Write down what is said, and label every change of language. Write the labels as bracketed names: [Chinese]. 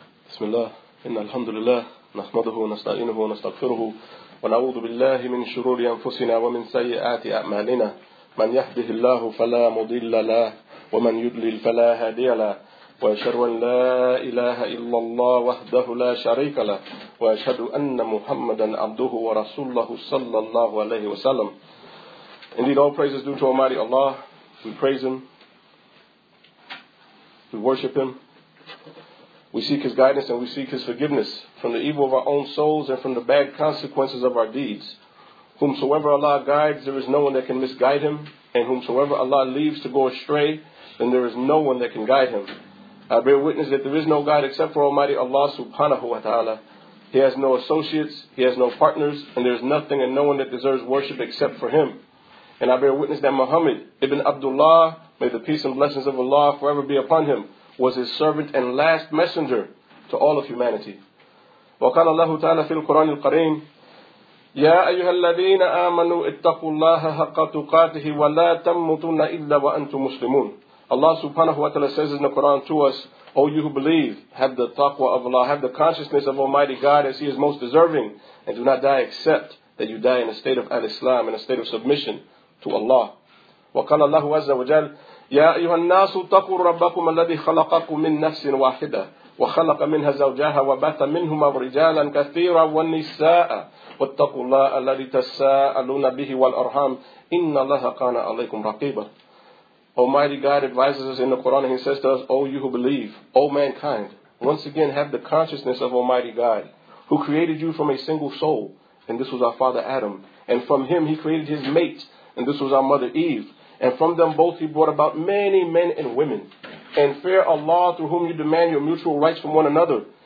[Arabic] بسم الله إن الحمد لله نحمده ونستعينه ونستغفره ونعوذ بالله من شرور أنفسنا ومن سيئات أعمالنا من يهده الله فلا مضل له ومن يضلل فلا هادي له وأشهد أن لا إله إلا الله وحده لا شريك له وأشهد أن محمدا عبده ورسوله صلى الله عليه وسلم. [English] Indeed, all praise is due to Almighty Allah. We praise Him. We worship Him. We seek His guidance and we seek His forgiveness from the evil of our own souls and from the bad consequences of our deeds. Whomsoever Allah guides, there is no one that can misguide him. And whomsoever Allah leaves to go astray, then there is no one that can guide him. I bear witness that there is no guide except for Almighty Allah subhanahu wa ta'ala. He has no associates, he has no partners, and there is nothing and no one that deserves worship except for him. And I bear witness that Muhammad ibn Abdullah, may the peace and blessings of Allah forever be upon him, was his servant and last messenger to all of humanity. [Arabic] وقال الله تعالى في القرآن الكريم يا أيها الذين آمنوا اتقوا الله حق تقاته ولا تموتن إلا وأنتم مسلمون. [English] Allah subhanahu wa ta'ala says in the Quran to us, O you who believe, have the taqwa of Allah, have the consciousness of Almighty God as He is most deserving, and do not die except that you die in a state of al-Islam, in a state of submission to Allah. [Arabic] وقال الله عز وجل يا أيها الناس اتقوا ربكم الذي خلقكم من نفس واحدة وخلق منها زوجها وبث منهما رجالا كثيرا ونساء واتقوا الله الذي تساءلون به والأرحام إن الله كان عليكم رقيبا. [English] Almighty God advises us in the Quran, and He says to us, O you who believe, O mankind, once again have the consciousness of Almighty God, who created you from a single soul, and this was our father Adam, and from him He created his mate, and this was our mother Eve. And from them both He brought about many men and women. And fear Allah through whom you demand your mutual rights from one another.